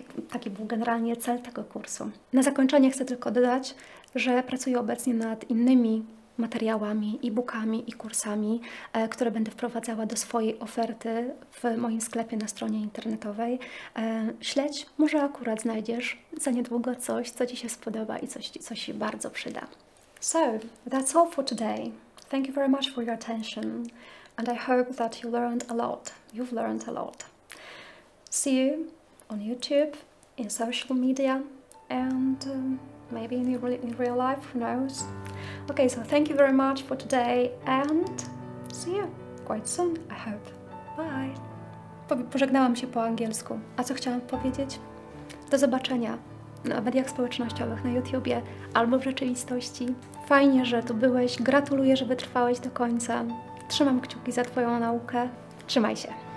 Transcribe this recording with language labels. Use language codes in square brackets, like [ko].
[pl] Taki był generalnie cel tego kursu. Na zakończenie chcę tylko dodać, że pracuję obecnie nad innymi materiałami, e-bookami i kursami, które będę wprowadzała do swojej oferty w moim sklepie na stronie internetowej. Śledź, może akurat znajdziesz za niedługo coś, co ci się spodoba i co się bardzo przyda. [en] So, that's all for today. Thank you very much for your attention and I hope that you learned a lot. You've learned a lot. See you on YouTube, in social media and maybe in real life, who knows? Okay, so thank you very much for today and see you quite soon, I hope. Bye! [pl] Pożegnałam się po angielsku. A co chciałam powiedzieć? Do zobaczenia na mediach społecznościowych, na YouTubie albo w rzeczywistości. Fajnie, że tu byłeś. Gratuluję, że wytrwałeś do końca. Trzymam kciuki za twoją naukę. Trzymaj się!